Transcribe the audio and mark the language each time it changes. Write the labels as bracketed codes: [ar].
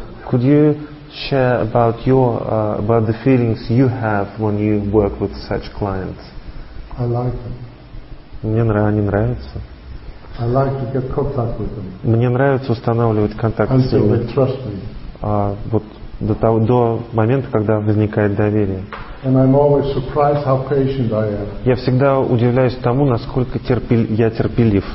[en] Could you share about your about the feelings you have when you work with such clients? I like them. [ru] Мне нравятся. [en] I like to get contact with them. [ru] Мне нравится устанавливать контакт с ними. [en] Until they trust me. [ru] Вот до того, до момента, когда возникает доверие. [en] And I'm always surprised how patient I am. [ru] Я всегда удивляюсь тому, насколько я терпелив.